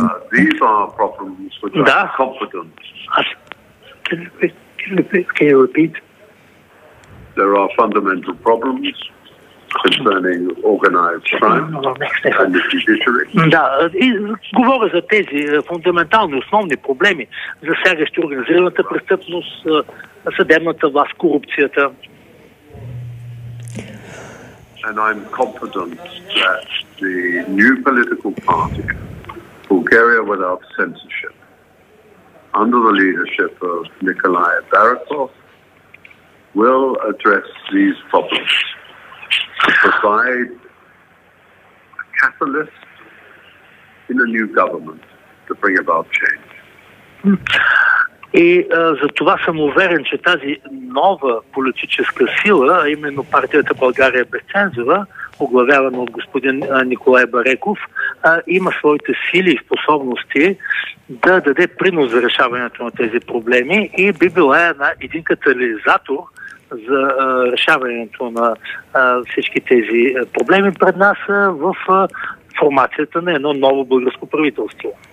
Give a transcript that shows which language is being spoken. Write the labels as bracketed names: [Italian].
[English] These are problems which are competent. Can you repeat? There are fundamental problems concerning organized crime and the judiciary. [Bulgarian] Да, говоря за тези фундаментални, основни проблеми, засягащи организираната престъпност, съдебната власт, корупцията. [English] And I'm confident that the new political party, Bulgaria Without Censorship, under the leadership of Nikolai Barakov, will address these problems, provide a catalyst in a new government to bring about change. [Bulgarian] И затова съм уверен, че тази нова политическа сила, именно партията България без цензура, оглавявана от господин Николай Бареков, има своите сили и способности да даде принос за решаването на тези проблеми и би била един катализатор за решаването на всички тези проблеми пред нас в формацията на едно ново българско правителство.